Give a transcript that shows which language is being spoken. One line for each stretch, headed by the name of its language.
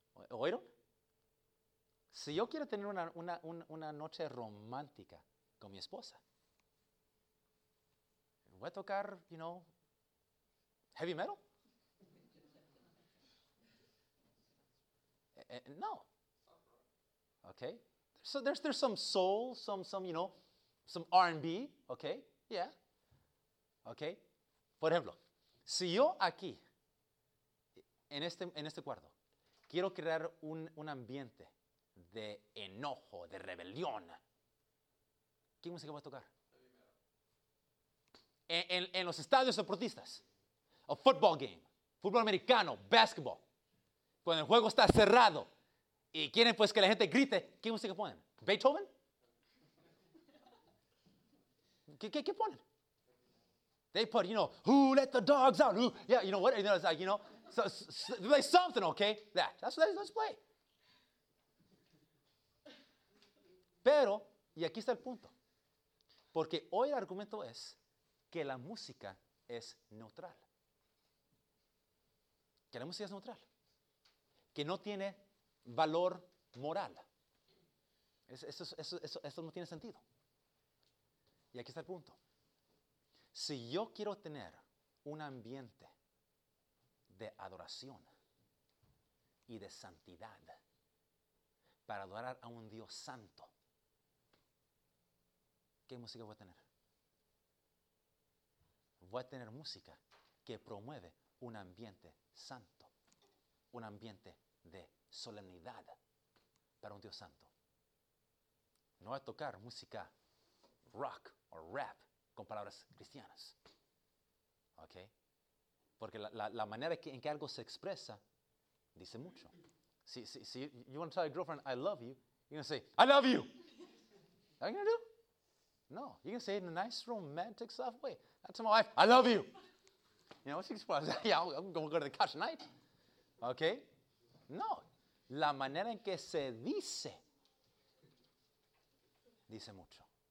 Spanish: ¿Oíron? Si yo quiero tener una noche romántica con mi esposa, voy a tocar,
English: you know, heavy metal? No. Okay. So there's some soul, some you know, some R&B, okay? Yeah. Okay.
Spanish: Por ejemplo, si yo aquí, en este cuarto, quiero crear un ambiente de enojo, de rebelión, ¿qué música voy a tocar? En los estadios deportistas,
English: a football game,
Spanish: fútbol americano, basketball, cuando el juego está cerrado y quieren pues que la gente grite, ¿qué música ponen? ¿Beethoven? ¿Qué ponen?
English: They put, you know, who let the dogs out? Who, yeah, you know what? You know, it's like, you know, so play something, okay? That's what let's play.
Spanish: Pero, y aquí está el punto. Porque hoy el argumento es que la música es neutral. Que la música es neutral. Que no tiene valor moral. Eso no tiene sentido. Y aquí está el punto. Si yo quiero tener un ambiente de adoración y de santidad para adorar a un Dios santo, ¿qué música voy a tener? Voy a tener música que promueve un ambiente santo, un ambiente de solemnidad para un Dios santo. No voy a tocar música rock o rap con palabras cristianas. ¿Ok? Porque la manera que, en que algo se expresa dice mucho. Si
English: you want to tell your girlfriend, I love you, you're going to say, I love you. What are you going to do? No. You're going to say it in a nice, romantic, soft way. Not to my wife, I love you. You know, she's going to say, yeah, I'm going to go to the couch tonight.
Spanish: ¿Ok? No. La manera en que se dice dice mucho.